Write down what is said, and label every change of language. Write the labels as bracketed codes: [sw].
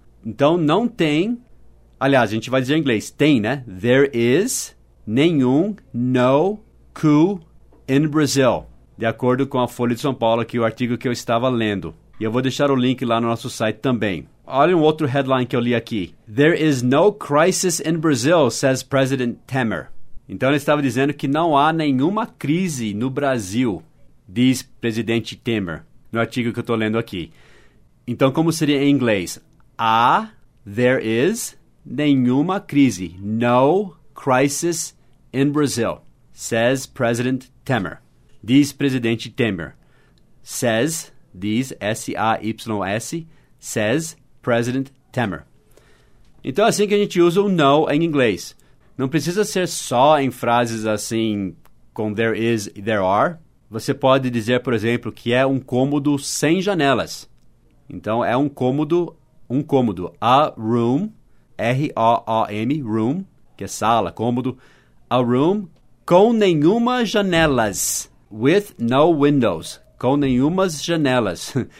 [pt] Então, não tem, aliás, a gente vai dizer em inglês, tem, né? [en] There is [pt] nenhum [en] no coup in Brazil, [pt] de acordo com a Folha de São Paulo, que é o artigo que eu estava lendo. E eu vou deixar o link lá no nosso site também. Olha um outro headline que eu li aqui. [en] There is no crisis in Brazil, says President Temer. [pt] Então, ele estava dizendo que não há nenhuma crise no Brasil, diz presidente Temer, no artigo que eu estou lendo aqui. Então, como seria em inglês? Há, [en] there is, [pt] nenhuma crise. [en] No crisis in Brazil, says President Temer. [pt] Diz presidente Temer. Says, diz, S-A-Y-S, [en] says President Temer. [pt] Então, é assim que a gente usa o no em inglês. Não precisa ser só em frases assim, com [en] there is, there are. [pt] Você pode dizer, por exemplo, que é um cômodo sem janelas. Então, é um cômodo, [en] a room, [pt] R-O-O-M, room, que é sala, cômodo, a room com nenhuma janelas, [en] with no windows, [pt] com nenhumas janelas.